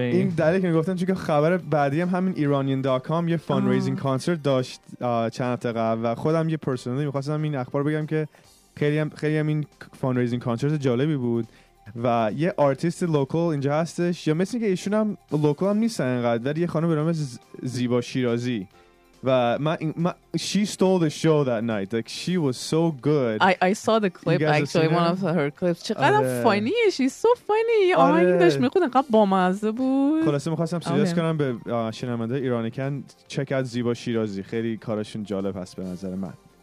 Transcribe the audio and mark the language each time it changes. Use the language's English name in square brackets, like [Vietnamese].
[Persian] این دلیل که میگفتن چون که خبر بعدی هم همین iranian.com یه fundraising concert داشت چند هفته قبل و خودم یه پرسونالی میخواستم این اخبار بگم که خیلی هم این fundraising concert جالبی بود و یه آرتیست لوکال اینجا هستش یا مثل که ایشون هم لوکال هم نیستن اینقدر ولی یه خانم به نام زیبا شیرازی و من [English] she stole the show that night like she was so good. I saw the clip actually one of her clips. [Persian] چقدر فانیه [English] she's so funny. [Persian] آهنگ داشت میخوند انقدر بامزه بود. خلاصه میخواستم سوجست کنم به شنونده ایرانیکن چک از زیبا شیرازی خیلی کارشون جالب هست به نظر من.